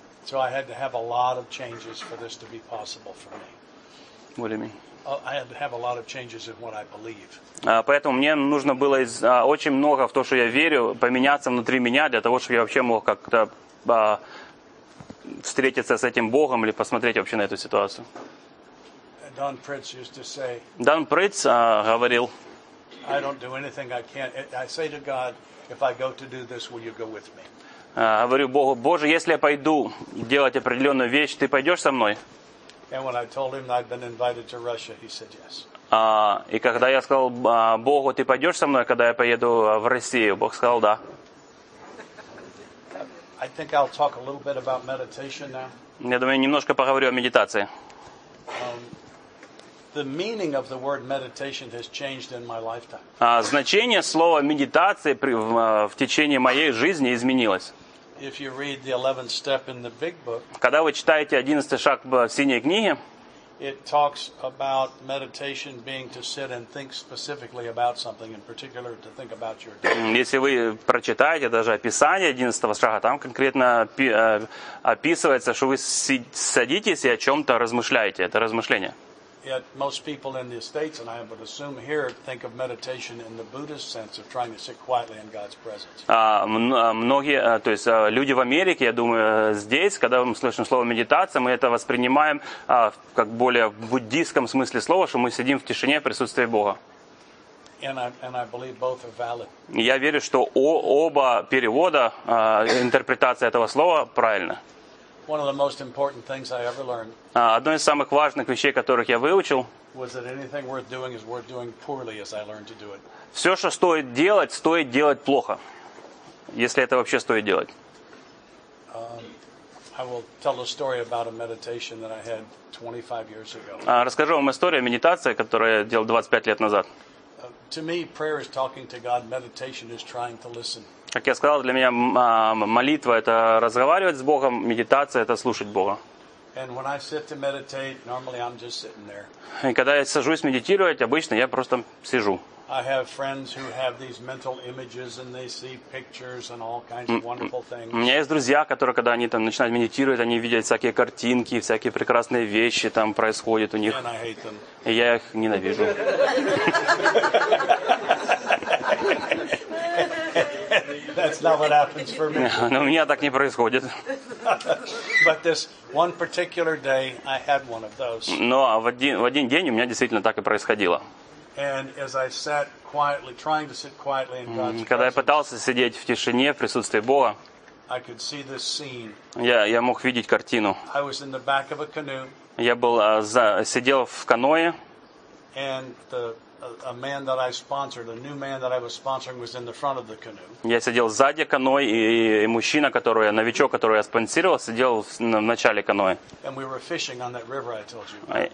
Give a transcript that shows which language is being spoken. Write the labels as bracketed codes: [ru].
[en] So I had to have a lot of changes for this to be possible for me. What do you mean? I had to have a lot of changes in what I believe. [ru] Поэтому мне нужно было очень много в то, что я верю, поменяться внутри меня для того, чтобы я вообще мог как-то встретиться с этим Богом или посмотреть вообще на эту ситуацию. [en] Don Pritz used to say. [ru] Дон Притц говорил. [en] I don't do anything I can't. I say to God, if I go to do this, will you go with me? [ru] Говорю Богу: Боже, если я пойду делать определенную вещь, ты пойдешь со мной? [en] And when I told him I'd been invited to Russia, he said yes. [ru] И когда я сказал Богу, ты пойдешь со мной, когда я поеду в Россию, Бог сказал да. [en] I think I'll talk a little bit about meditation now. [ru] Я думаю, немножко поговорю о медитации. [en] The meaning of the word meditation has changed in my lifetime. [ru] Значение слова медитации в течение моей жизни изменилось. [en] If you read the 11th step in the big book, [ru] когда вы читаете 11 шаг в синей книге, [en] it talks about meditation being to sit and think specifically about something in particular to think about your day. [ru] Если вы прочитаете даже описание 11 шага, там конкретно описывается, что вы садитесь и о чем-то размышляете. Это размышление. [en] Yet most people in the States, and I would assume here, think of meditation in the Buddhist sense of trying to sit quietly in God's presence. [ru] Многие, то есть люди в Америке, я думаю, здесь, когда мы слышим слово медитация, мы это воспринимаем как более в буддийском смысле слова, что мы сидим в тишине в присутствии Бога. [en] And I believe both are valid. [ru] Я верю, что оба перевода, интерпретация этого слова правильна. [en] One of the most important things I ever learned. [ru] Одно из самых важных вещей, которых я выучил. [en] Was that anything worth doing is worth doing poorly, as I learned to do it. [ru] Все, что стоит делать плохо, если это вообще стоит делать. [en] I will tell a story about a meditation that I had 25 years ago. [ru] Расскажу вам историю о медитации, которую я делал 25 лет назад. [en] To me, prayer is talking to God. Meditation is trying to listen. [ru] Как я сказал, для меня молитва это разговаривать с Богом, медитация это слушать Бога. [en] And when I sit to meditate, normally I'm just sitting there. [ru] И когда я сажусь медитировать, обычно я просто сижу. [en] I have friends who have these mental images and they see pictures and all kinds of wonderful things. [ru] У меня есть друзья, которые когда они там начинают медитировать, они видят всякие картинки, всякие прекрасные вещи там происходят у них. [en] And I hate them. [ru] И я их ненавижу. [en] That's not what happens for me. [ru] Но у меня так не происходит. [en] But this one particular day I had one of those. [ru] Но в один день у меня действительно так и происходило. [en] And as I sat quietly, trying to sit quietly in God's presence, [ru] когда я пытался сидеть в тишине в присутствии Бога, [en] I could see this scene. [ru] Я мог видеть картину. [en] I was in the back of a canoe. [ru] Я был сидел в каноэ. [en] And a man that I sponsored, a new man that I was sponsoring, was in the front of the canoe. [ru] Я сидел сзади каноэ, и мужчина, новичок, которого я спонсировал, сидел в начале каноэ. [en] And we were fishing on that river I told you.